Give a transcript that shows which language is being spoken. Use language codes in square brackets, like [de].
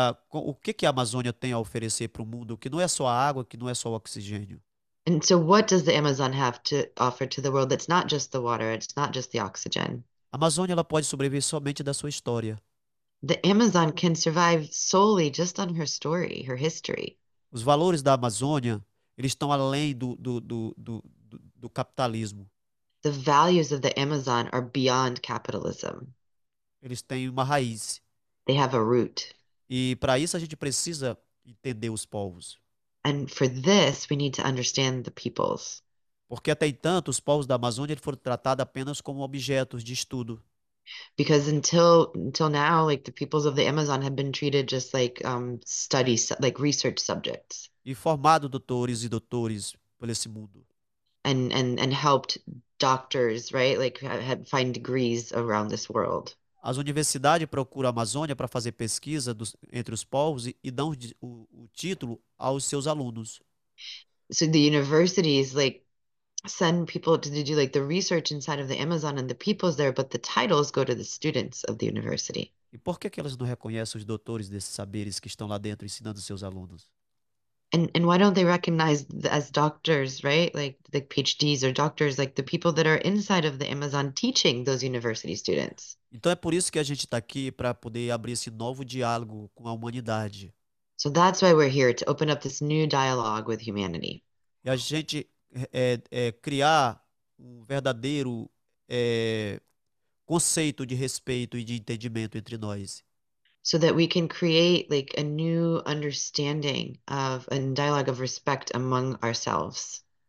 [pt] O que que a Amazônia tem a oferecer para o mundo, que não é só a água, que não é só o oxigênio? [en] And so what does the Amazon have to offer to the world that's not just the water, it's not just the oxygen? [pt] A Amazônia, ela pode sobreviver somente da sua história. [en] The Amazon can survive solely just on her story, her history. [pt] Os valores da Amazônia, eles estão além do capitalismo. [en] The values of the Amazon are beyond capitalism. [pt] Eles têm uma raiz. [en] They have a root. [pt] E para isso a gente precisa entender os povos. [en] And for this, we need to understand the peoples. [pt] Porque até então os povos da Amazônia foram tratados apenas como objetos de estudo. [en] Because until now, like the peoples of the Amazon have been treated just like studies, like research subjects. [pt] E formado doutores e doutores por esse mundo. [en] And helped doctors, right? Like have find degrees around this world. [pt] As universidades procuram a Amazônia para fazer pesquisa entre os povos e dão o título aos seus alunos. [en] So the universities like send people to do like the research inside of the Amazon and the peoples there, but the titles go to the students of the university. [pt] E por que que elas não reconhecem os doutores desses saberes que estão lá dentro ensinando os seus alunos? [en] And why don't they recognize as doctors, right? Like the PhDs or doctors, like the people that are inside of the Amazon teaching those university students. [pt] Então é por isso que a gente está aqui para poder abrir esse novo diálogo com a humanidade. [en] So that's why we're here, to open up this new dialogue with humanity. [pt] E a gente criar um verdadeiro conceito de respeito e de entendimento entre nós. [en] So that we can create like a new understanding of a dialogue of respect among ourselves.